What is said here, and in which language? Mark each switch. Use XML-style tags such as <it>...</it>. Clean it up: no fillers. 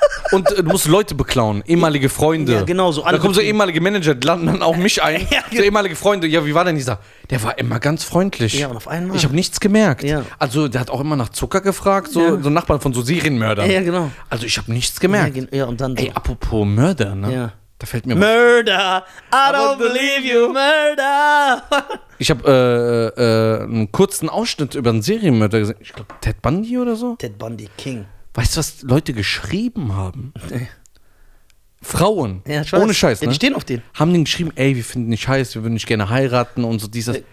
<de>Und du musst Leute beklauen, ehemalige Freunde. Ja, genau so. Da kommen so ehemalige Manager, landen dann auch mich ein. So ehemalige Freunde. Ja, wie war denn dieser? Der war immer ganz freundlich. Ja, und auf einmal. Ich habe nichts gemerkt. Ja. Also, der hat auch immer nach Zucker gefragt, so Nachbarn von so Serienmördern. Ja, genau. Also, ich habe nichts gemerkt. Ja, und dann. Ey, apropos Mörder, ne? Ja. Da fällt mir</de> <en>Murder! Was. I don't believe you, Murder!</en> <de>Ich habe einen kurzen Ausschnitt über einen Serienmörder gesehen. Ich glaube, Ted Bundy oder so? Ted Bundy King. Weißt du, was Leute geschrieben haben? Nee. Frauen. Ja, ich weiß. Ohne Scheiß, ne? Ja, die stehen auf den. Haben den geschrieben, ey, wir finden dich heiß, wir würden dich gerne heiraten und so dieses.</de>